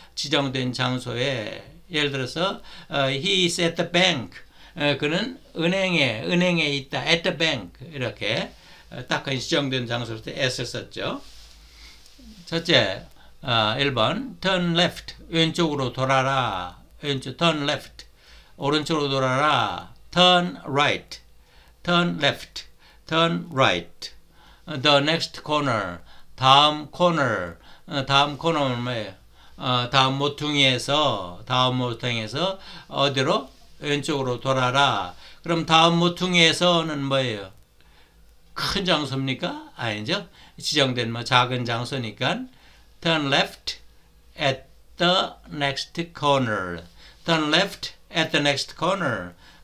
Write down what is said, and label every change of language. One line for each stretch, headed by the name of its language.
Korean: 지정된 장소에 예를 들어서
English: he is at the bank.
Korean: 그는 은행에 있다.
English: At the bank.
Korean: 이렇게 딱 지정된 장소로 S를 썼죠. 첫째, 1번.
English: Turn left.
Korean: 왼쪽으로 돌아라.
English: 왼쪽, turn left.
Korean: 오른쪽으로 돌아라.
English: Turn right. Turn left. Turn right. The next corner. 다음 corner.
Korean: 다음 corner는 뭐예요? 다음 모퉁이에서 어디로? 왼쪽으로 돌아라. 그럼 다음 모퉁이에서는 뭐예요? 큰 장소입니까? 아니죠. 지정된 뭐 작은 장소니까.
English: Turn left at the next corner. Turn left at the next corner.